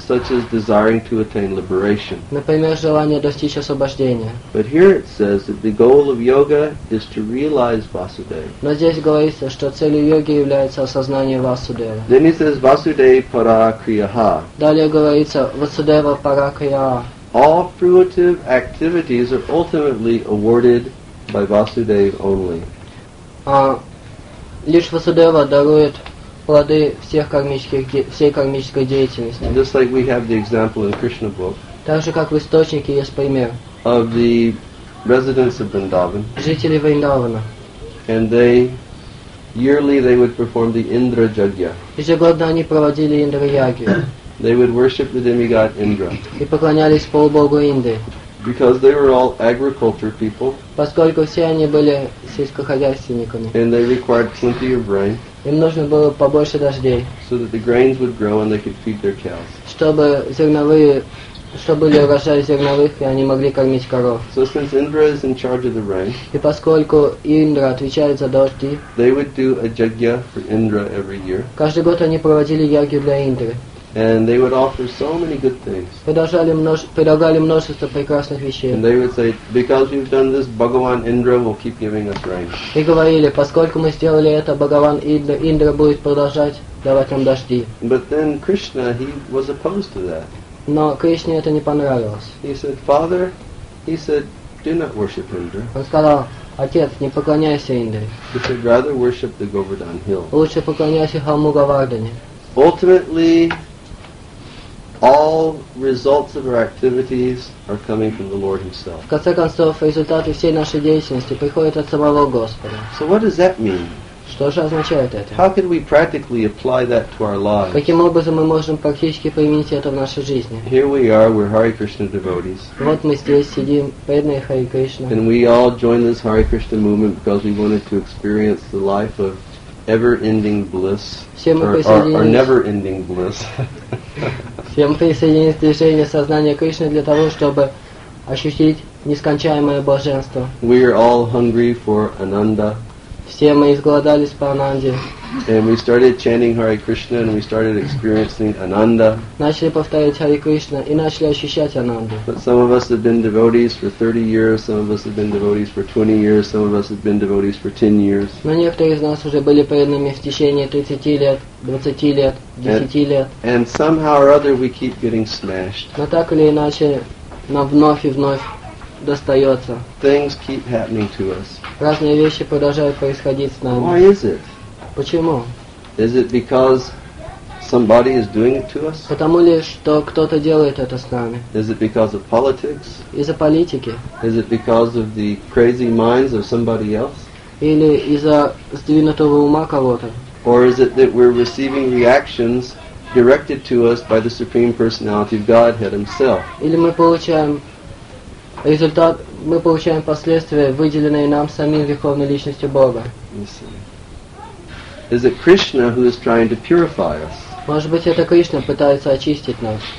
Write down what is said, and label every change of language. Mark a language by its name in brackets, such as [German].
[English] Such as desiring to attain liberation. [Russian] Например, желание достичь освобождения. [English] But here it says that the goal of yoga is to realize Vasudeva. [Russian] Но здесь говорится, что целью йоги является осознание Васудевы. [English] Then he says [Sanskrit] Vasudeva para kriyaha. [Russian] Далее говорится Васудева пара крияха. [English] All fruitive activities are ultimately awarded by Vasudeva only. [Russian] Лишь Васудева дарует плоды всех кармических, всей кармической деятельности. [English] Just like we have the example in the Krishna book. [Russian] Так же, как в источнике есть пример. [English] Of the residents of Vrindavan. [Russian] Жители Вриндавана. [English] And they yearly they would perform the Indra Jagya. [Russian] Ежегодно они проводили Индра Ягью. [English] They would worship the demigod Indra. [Russian] И поклонялись полубогу Инды. [English] Because they were all agriculture people. [Russian] Поскольку все они были сельскохозяйственниками. [English] And they required plenty of rain. [Russian] Им нужно было побольше дождей. [English] So that the grains would grow and they could feed their cows. [Russian] Чтобы зерновые, чтобы были урожаи зерновых, и они могли кормить коров. [English] So since Indra is in charge of the rain. [Russian] И поскольку Индра отвечает за дожди. [English] They would do a jagya for Indra every year. [Russian] Каждый год они проводили ягью для Индры. [English] And they would offer so many good things. [Russian] Предлагали множество прекрасных вещей. [English] And they would say, because we've done this, Bhagavan Indra will keep giving us rain. [Russian] И говорили, поскольку мы сделали это, Бхагаван Индра будет продолжать давать нам дожди. [English] But then Krishna, he was opposed to that. [Russian] Но Кришне это не понравилось. [English] He said, Father, he said, do not worship Indra. [Russian] Он сказал, Отец, не поклоняйся Индре. [English] He said, rather worship the Govardhan Hill. [Russian] Лучше поклоняйся холму Говардане. [English] Ultimately, all results of our activities are coming from the Lord Himself. [Russian] В конце концов, результаты всей нашей деятельности приходят от самого Господа. [English] So what does that mean? [Russian] Что же означает это? [English] How can we practically apply that to our lives? [Russian] Каким образом мы можем практически применить это в нашей жизни? [English] Here we are, we're Hare Krishna devotees. [Russian] Вот мы здесь сидим, преданные Hare Krishna. [English] And we all join this Hare Krishna movement because we wanted to experience the life of ever-ending bliss, or never-ending bliss. [Russian] Всем присоединиться к движению сознания Кришны для того, чтобы ощутить нескончаемое блаженство. [English] We are all hungry for Ananda. [Russian] Все мы изголодались по Ананде. [English] And we started chanting Hare Krishna, and we started experiencing Ananda. [Russian] Начали повторять Хари Кришна и начали ощущать Ананду. [English] But some of us have been devotees for 30 years, some of us have been devotees for 20 years, some of us have been devotees for 10 years. [Russian] Но некоторые из нас уже были преданными в течение 30 лет, 20 лет, 10 лет. [English] And somehow or other we keep getting smashed. [Russian] Но так или иначе, нам вновь и вновь достается. [English] Things keep happening to us. [Russian] Разные вещи продолжают происходить с нами. [English] Why is it? [Russian] Почему? [English] Is it because somebody is doing it to us? [Russian] Потому ли, что кто-то делает это с нами? [English] Is it because of politics? [Russian] Из-за политики? [English] Is it because of the crazy minds of somebody else? [Russian] Или из-за сдвинутого ума кого-то? [English] Or is it that we're receiving reactions directed to us by the Supreme Personality of Godhead Himself? [Russian] Или мы получаем результат, мы получаем последствия, выделенные нам самим Верховной Личностью Бога? [English] Is it Krishna who is trying to purify us? [Russian] Может быть, это Кришна пытается очистить нас.